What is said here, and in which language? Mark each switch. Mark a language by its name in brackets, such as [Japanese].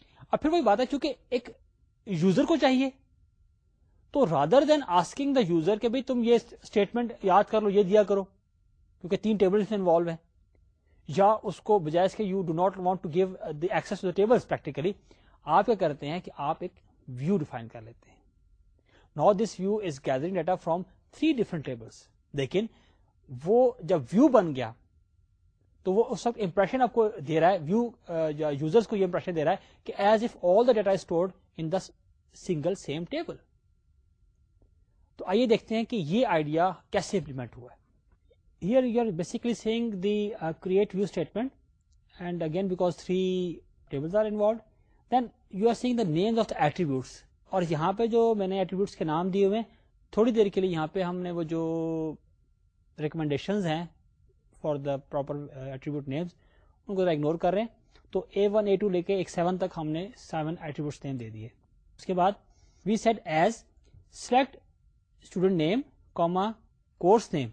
[Urdu] اب پھر وہی بات ہے, چونکہ ایک یوزر کو چاہیے, تو [English] rather than asking the user [Urdu] کہ بھائی تم یہ اسٹیٹمنٹ یاد کر لو, یہ دیا کرو, کیونکہ تین ٹیبلس انوالو ہیں, یا اس کو بجائے اس کے [English] you do not want to give the access to the tables practically, [Urdu] آپ کیا کرتے ہیں کہ آپ ایک ویو ڈیفائن کر لیتے ہیں. [English] Now this view is gathering data from three different tables. [Urdu] لیکن وہ جب ویو بن گیا تو وہ اس وقت امپریشن آپ کو دے رہا ہے, ویو یوزرس کو یہ امپریشن دے رہا ہے کہ [English] As if all the data stored in the single same table. [Urdu] تو آئیے دیکھتے ہیں کہ یہ آئیڈیا کیسے امپلیمنٹ ہوا ہے. [English] Here you are basically seeing the create view statement and again because three tables are involved then you are seeing the names of the attributes. [Urdu] اور یہاں پہ جو میں نے ایٹریبیوٹس کے نام دیے ہوئے, تھوڑی دیر کے لیے یہاں پہ ہم نے وہ جو ریکمنڈیشنز ہیں [English] for the proper attribute names [Urdu] in کو اگنور کر رہے ہیں. تو اے ون اے ٹو لے کے ایک سیون تک ہم نے سیون ایٹریبیوٹس نیم دے دیے. اس کے بعد [English] We set as select student name comma course name.